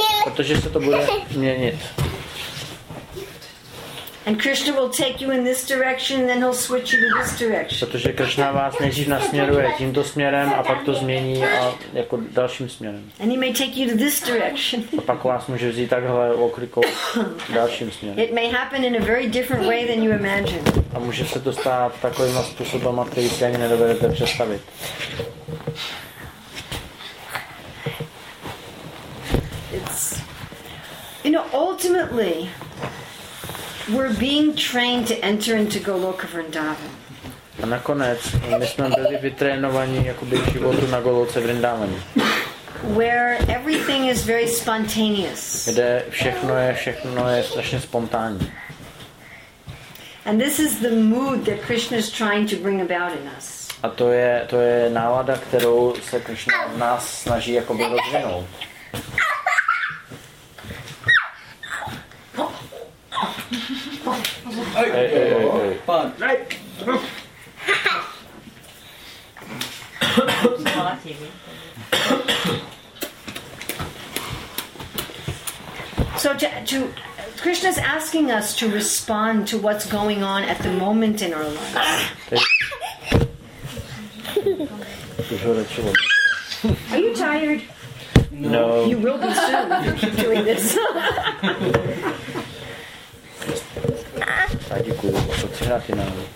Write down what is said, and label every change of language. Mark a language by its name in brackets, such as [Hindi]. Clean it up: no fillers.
[Czech] Protože se to bude měnit. [English] And Krishna will take you in this direction, then he'll switch you to this direction. [Czech] Protože Krishna vás nejdřív nasměruje tímto směrem a pak to změní a jako dalším směrem. [English] And he may take you to this direction. [Czech] A pak vás může vzít takhle okrikou dalším směrem. [English] It may happen in a very different way than you imagine. A může se to stát takovým způsobem, který si ani nedovedete představit. It's, you know, ultimately. We're being trained to enter into Goloka Vrindavan. [Czech] A nakonec my jsme byli vytrénovaní jakoby životu na Goloce Vrindavani. [English] Where everything is very spontaneous. [Czech] Kde všechno je strašně spontánní. [English] And this is the mood that Krishna is trying to bring about in us. [Czech] A to je nálada, kterou se Krishna nás snaží jakoby rozvinout. [English] So Krishna is asking us to respond to what's going on at the moment in our lives. Are you tired? No. You will be soon if you keep doing this. [Czech] A děkuju, to chci hrát finále.